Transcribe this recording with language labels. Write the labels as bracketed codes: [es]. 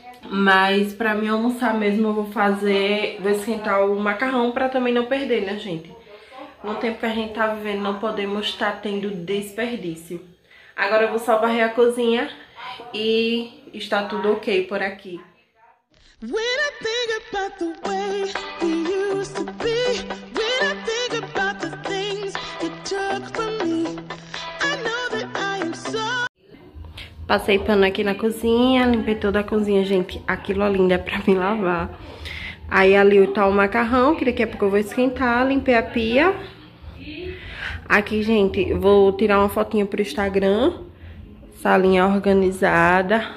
[pt] Mas pra mim almoçar mesmo eu vou fazer... Vou esquentar o macarrão pra também não perder, né, gente? No tempo que a gente tá vivendo não podemos estar tendo desperdício. Agora eu vou só varrer a cozinha e está tudo ok por aqui. [en] When I think about the way we used to be, when I think about the things it took from me, I know that I am so... [pt] Passei pano aqui na cozinha, limpei toda a cozinha, gente. Aquilo ali ainda é pra me lavar. Aí ali tá o macarrão, que daqui a pouco eu vou esquentar, limpei a pia. Aqui, gente, vou tirar uma fotinha pro Instagram. Salinha organizada.